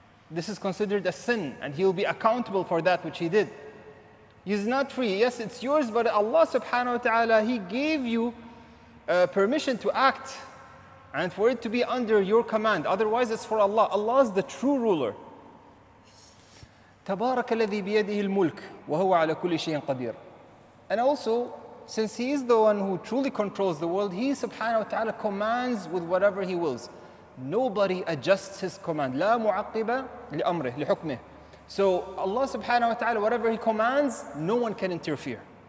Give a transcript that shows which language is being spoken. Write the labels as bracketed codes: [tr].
[en] This is considered a sin, and he'll be accountable for that which he did. He's not free. Yes, it's yours, but Allah subhanahu wa ta'ala, He gave you permission to act and for it to be under your command. Otherwise, it's for Allah. Allah is the true ruler. [ar] تبارك الذي بيده الملك وهو على كل شيء قدير. [en] And also, since He is the one who truly controls the world, He subhanahu wa ta'ala commands with whatever He wills. Nobody adjusts His command. [ar] لا معقب لأمره لحكمه. [en] So Allah subhanahu wa ta'ala, whatever He commands, no one can interfere.